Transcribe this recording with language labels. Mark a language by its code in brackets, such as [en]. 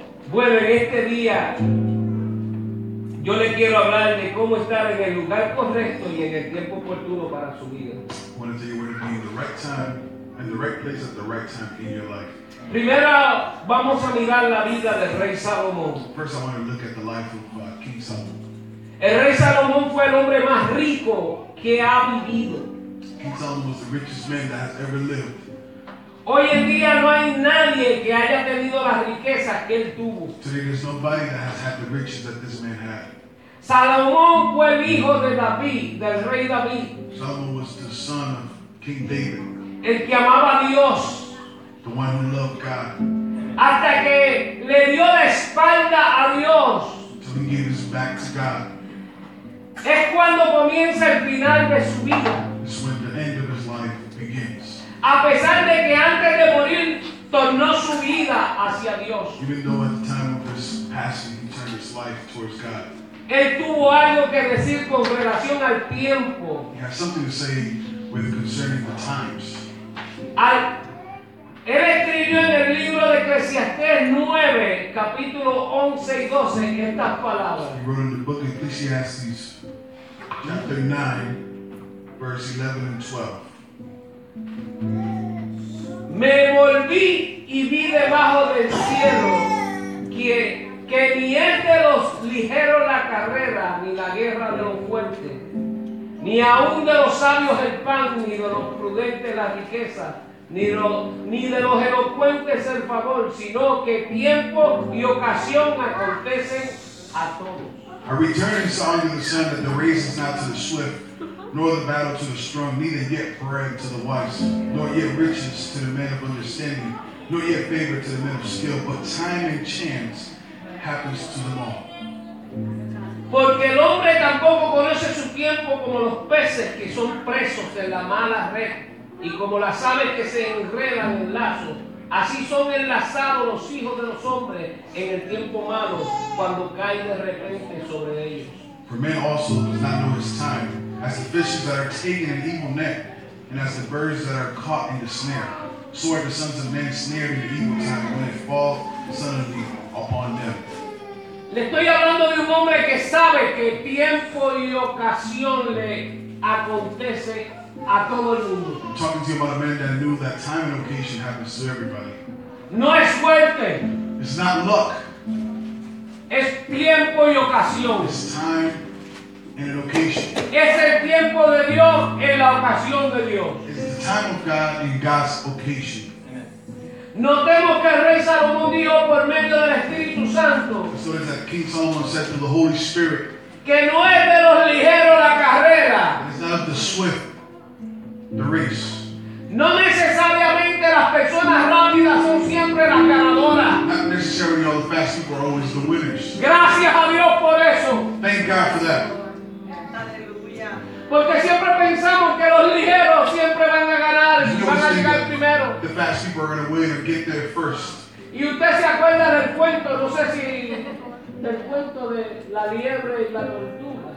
[es] Bueno, en este día yo le quiero hablar de cómo estar en el lugar correcto y en el tiempo oportuno para su vida. [en] Want to tell you where to be in the right time and the right place at the right time in your life. [es] Primero vamos a mirar la vida del rey Salomón. [en] First I want to look at the life of King Solomon. [es] El rey Salomón fue el hombre más rico que ha vivido. [en] King Solomon was the richest man that has ever lived. [es] Hoy en día no hay nadie que haya tenido las riquezas que él tuvo. [en] Today there's nobody that has had the riches that this man had. [es] Salomón fue el hijo de David, del rey David. [en] Solomon was the son of King David. [es] El que amaba a Dios. [en] The one who loved God. [es] Hasta que le dio la espalda a Dios. [en] Until he gave his back to God. [es] Es cuando comienza el final de su vida. [en] It's when the end of his life begins. [es] A pesar de que antes de morir tornó su vida hacia Dios. [en] Even though at the time of his passing he turned his life towards God. [es] Él tuvo algo que decir con relación al tiempo. [en] He has something to say with concerning the times. [es] Él escribió en el libro de Eclesiastés 9, capítulo 11 y 12 estas palabras. [en] He wrote in the book of Ecclesiastes, chapter 9, verse 11 and 12. [es] Me volví y vi debajo del cielo que ni es de los ligeros la carrera, ni la guerra de los fuertes, ni aun de los sabios el pan, ni de los prudentes la riqueza, ni de los elocuentes el favor, sino que tiempo y ocasión acontecen a todos. [en] I returned and saw unto the sun that the race is not to the swift, nor the battle to the strong, neither yet bread to the wise, nor yet riches to the men of understanding, nor yet favor to the men of skill, but time and chance happens to them all. [es] Porque el hombre tampoco conoce su tiempo como los peces que son presos en la mala red, y como las aves que se enredan en lazos. Así son enlazados los hijos de los hombres en el tiempo malo cuando cae de repente sobre ellos. [en] For man also does not know his time, as the fishes that are taken in an evil net, and as the birds that are caught in the snare. So are the sons of men snared in the evil time, when they fall suddenly upon them. [es] Le estoy hablando de un hombre que sabe que tiempo y ocasión le acontece a todo el mundo. [en] I'm talking to you about a man that knew that time and occasion happens to everybody. [es] No es suerte. [en] It's not luck. [es] Es tiempo y ocasión. [en] It's time and an occasion. [es] Es el tiempo de Dios en la ocasión de Dios. [en] It's the time of God in God's occasion. [es] Notemos que el rey Salomón dijo por medio del Espíritu Santo. [en] So it's that King Solomon said to the Holy Spirit. [es] Que no es de los ligeros la carrera. [en] It's not the swift, the race. [es] No necesariamente las personas rápidas son siempre las ganadoras. [en] Not necessarily all the fast people are always the winners. [es] Gracias a Dios por eso. [en] Thank God for that. [es] Porque siempre pensamos que los ligeros siempre van a ganar, van a llegar primero. [en] The fast people are going to win or get there first. [es] Y usted se acuerda del cuento, no sé si del cuento de la liebre y la tortuga.